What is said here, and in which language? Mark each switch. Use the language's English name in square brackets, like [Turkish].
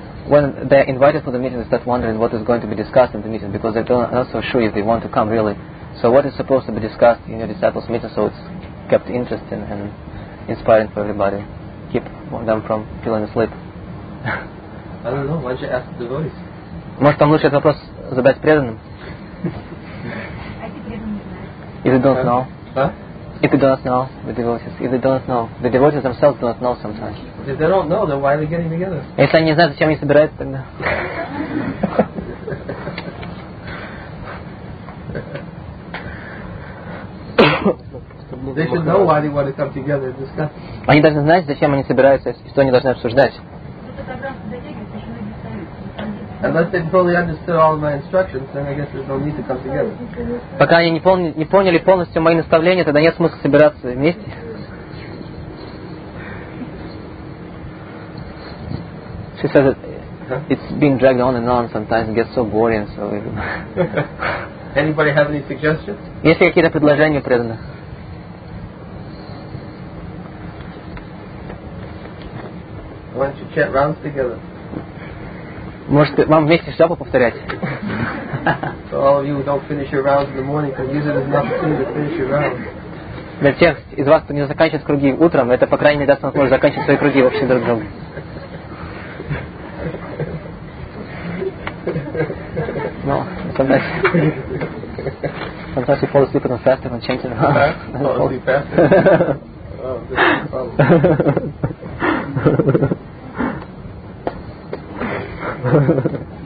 [English] When they are invited for the meeting, they start wondering what is going to be discussed in the meeting because they are not so sure if they want to come really. So what is supposed to be discussed in your disciples' meeting so it's kept interesting and inspiring for everybody? Keep them from feeling asleep. I don't know, why don't you ask the devotees? [Russian] Может, там лучше этот вопрос задать преданным? [English] If they don't know. Huh? If they don't know, the devotees. If they don't know. The devotees themselves don't know sometimes. If they don't know, then why are they getting together? [Russian] Если они не знают, зачем они собираются тогда. [English] They should know why they want to come together and discuss. [Russian] Они должны знать, зачем они собираются и что они должны обсуждать. [English] Unless they fully understood all of my instructions, then I guess there's no need to come together. [Russian] Пока они не поняли полностью мои наставления, тогда нет смысла собираться вместе. [English] She said that it's being dragged on and on sometimes, it gets so boring. So anybody have any suggestions? [Russian] Есть ли какие-то предложения преданных? [English] Why don't you chat rounds together? [Russian] Может, вам вместе шляпу повторять? [English] So all of you don't finish your rounds in the morning, because use it as an opportunity to finish your rounds. [Russian] Для тех из вас, кто не заканчивает круги утром, это, по крайней мере, даст вам возможность заканчивать свои круги вообще друг другу. [English] No, sometimes you fall asleep even faster than changing rounds. Fall asleep faster? Oh, this is a problem.